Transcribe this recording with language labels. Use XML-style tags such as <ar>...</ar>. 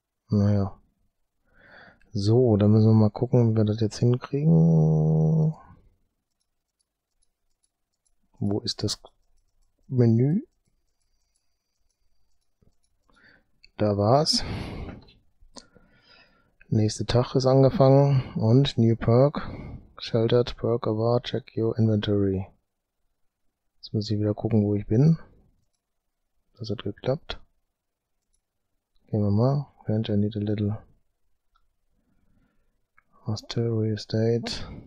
<de>Naja. So, dann müssen wir mal gucken, wie wir das jetzt hinkriegen. Wo ist das Menü? Da war's. Nächster Tag ist angefangen und New Perk.</de> <en>Sheltered Perk Award, check your inventory.</en> <de>Jetzt muss ich wieder gucken, wo ich bin. Das hat geklappt. Gehen wir mal.</de> <en>Ranch, I need a little Hostel, Real Estate.</en>